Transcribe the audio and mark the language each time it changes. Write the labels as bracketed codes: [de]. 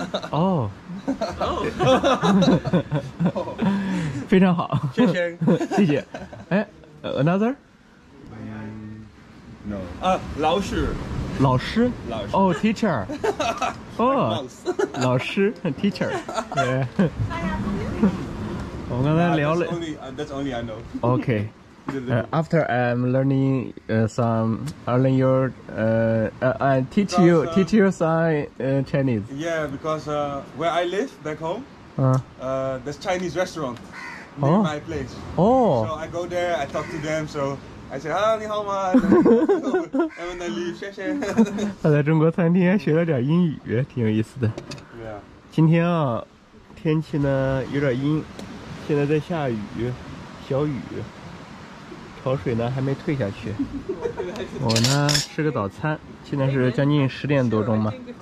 [zh] 哦。哦。非常好。谢谢。谢谢。哎， [en] another? May I? No. [zh] 啊，老师。老师，老师，哦 ，teacher， 哦，老师 ，teacher， 对、 [en] yeah. ， [zh] 我们刚才聊了 [en] ，that's only I know. Okay. After I'm learning I teach you some Chinese. Yeah, because where I live back home, there's Chinese restaurant near my place. Oh. So I go there, I talk to them, so. I say, [zh] 你好吗？然后呢，你谢谢。他在中国餐厅还学了点英语，挺有意思的。对啊。今天啊，天气呢有点阴，现在在下雨，小雨，潮水呢还没退下去。我呢吃个早餐，现在是将近十点多钟嘛。